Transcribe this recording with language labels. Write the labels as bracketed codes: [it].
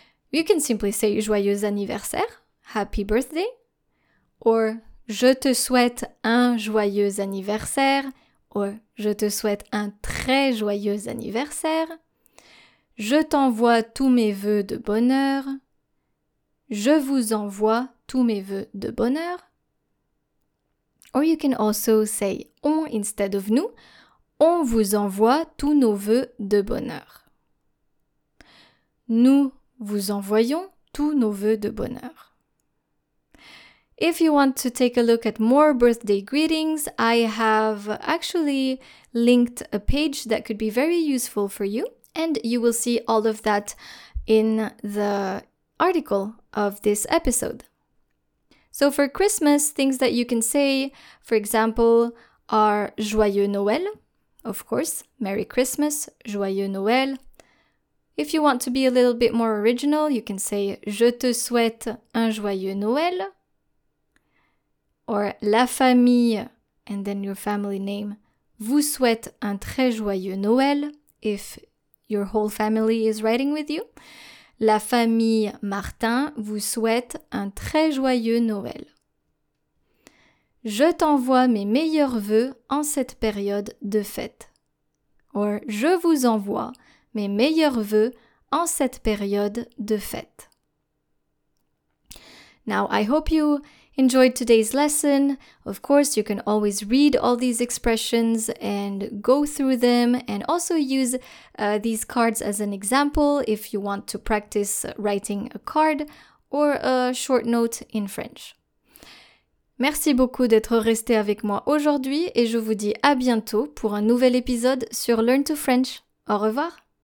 [en] You can simply say [fr] joyeux anniversaire, [en] happy birthday, or [fr] je te souhaite un joyeux anniversaire, [en] or [fr] je te souhaite un très joyeux anniversaire, je t'envoie tous mes vœux de bonheur, je vous envoie tous mes vœux de bonheur. [en] Or you can also say on instead of nous. [fr] On vous envoie tous nos vœux de bonheur. Nous vous envoyons tous nos vœux de bonheur. [en] If you want to take a look at more birthday greetings, I have actually linked a page that could be very useful for you, and you will see all of that in the article of this episode. So for Christmas, things that you can say, for example, are [fr] Joyeux Noël, [en] of course, Merry Christmas, Joyeux Noël. If you want to be a little bit more original, you can say [fr] Je te souhaite un Joyeux Noël, [en] or [fr] La famille, [en] and then your family name, [fr] vous souhaite un très joyeux Noël, [en] if your whole family is writing with you. [fr] La famille Martin vous souhaite un très joyeux Noël. Je t'envoie mes meilleurs vœux en cette période de fête. Or, je vous envoie mes meilleurs vœux en cette période de fête. [en] Now, I hope you enjoyed today's lesson. Of course, you can always read all these expressions and go through them and also use these cards as an example if you want to practice writing a card or a short note in French. [fr] Merci beaucoup d'être resté avec moi aujourd'hui et je vous dis à bientôt pour un nouvel épisode sur Learn to French. Au revoir!